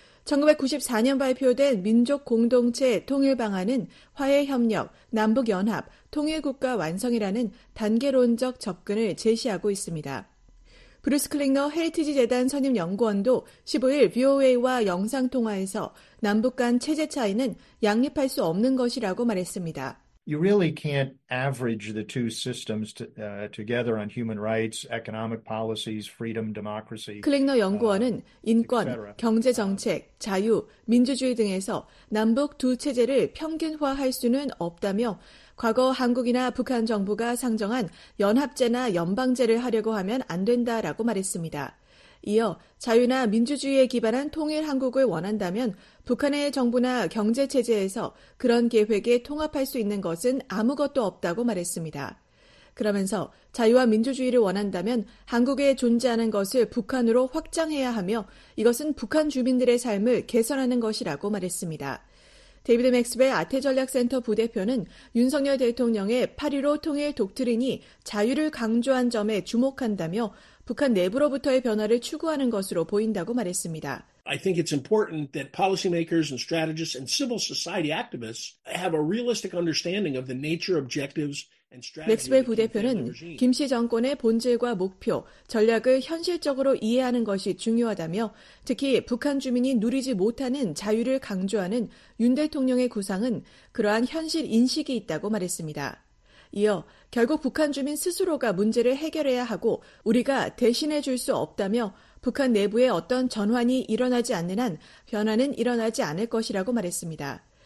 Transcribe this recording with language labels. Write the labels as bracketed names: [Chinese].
[Korean] 1994년 발표된 민족 공동체 통일 방안은 화해협력, 남북연합, 통일국가 완성이라는 단계론적 접근을 제시하고 있습니다. 브루스 클링너 헤리티지 재단 선임 연구원도 15일 VOA와 영상통화에서 남북 간 체제 차이는 양립할 수 없는 것이라고 말했습니다. [English] You really can't average the two systems together on human rights, economic policies, freedom, democracy. [Korean] 클링너 연구원은 인권, 경제 정책, 자유, 민주주의 등에서 남북 두 체제를 평균화할 수는 없다며 과거 한국이나 북한 정부가 상정한 연합제나 연방제를 하려고 하면 안 된다라고 말했습니다. 이어 자유나 민주주의에 기반한 통일 한국을 원한다면 북한의 정부나 경제체제에서 그런 계획에 통합할 수 있는 것은 아무것도 없다고 말했습니다. 그러면서 자유와 민주주의를 원한다면 한국에 존재하는 것을 북한으로 확장해야 하며 이것은 북한 주민들의 삶을 개선하는 것이라고 말했습니다. 데이비드 맥스벨 아태전략센터 부대표는 윤석열 대통령의 8.15 통일 독트린이 자유를 강조한 점에 주목한다며 북한 내부로부터의 변화를 추구하는 것으로 보인다고 말했습니다. [English] I think it's important that policymakers and strategists and civil society activists have a realistic understanding of the nature, objectives, and strategy. [Korean] 맥스벨 부대표는 김 씨 정권의 본질과 목표, 전략을 현실적으로 이해하는 것이 중요하다며 특히 북한 주민이 누리지 못하는 자유를 강조하는 윤 대통령의 구상은 그러한 현실 인식이 있다고 말했습니다. 이어 결국 북한 주민 스스로가 문제를 해결해야 하고 우리가 대신해 줄 수 없다며 북한 내부에 어떤 전환이 일어나지 않는 한 변화는 일어나지 않을 것이라고 말했습니다.